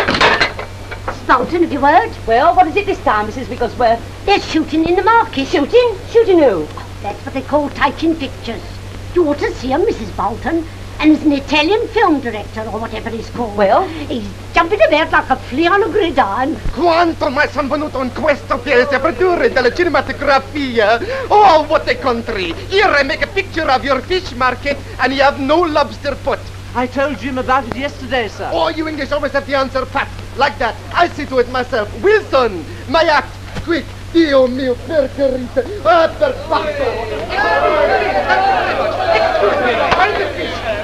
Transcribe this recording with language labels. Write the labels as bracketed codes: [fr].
[en] Spalton, have you heard? Well, what is it this time, Mrs. Wigglesworth? They're shooting in the market. Shooting? Shooting who? That's what they call taking pictures. You ought to see him, Mrs. Bolton. And he's an Italian film director, or whatever he's called. Well? He's jumping about like a flea on a gridiron. [it] Quanto mai son venuto in questo paese per produrre della cinematografia? [en] Oh, what a country! Here I make a picture of your fish market, and you have no lobster pot. I told Jim about it yesterday, sir. Oh, you English always have the answer pat, like that. I see to it myself. Wilson, my act, quick. [it] Dio mio, per carità, ah, per fatto!